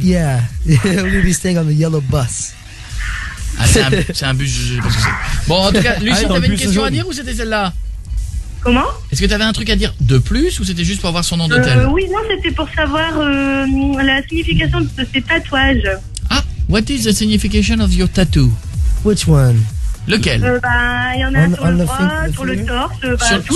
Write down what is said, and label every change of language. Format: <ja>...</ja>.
<en>Yeah. We'll be staying on the yellow bus.</en> <fr>Ah, c'est un bus. Je sais pas ce que c'est. Bon, en tout cas, Lucie, t'avais une question à dire ou c'était celle-là? Comment? Est-ce que t'avais un truc à dire de plus ou c'était juste pour avoir son nom d'hôtel? Oui, non, c'était pour savoir la signification de ses tatouages.</fr> <en>Ah, what is the signification of your tattoo? Which one?</en> <fr>Lequel? Il y en a on, sur le bras, sur le torse.</fr>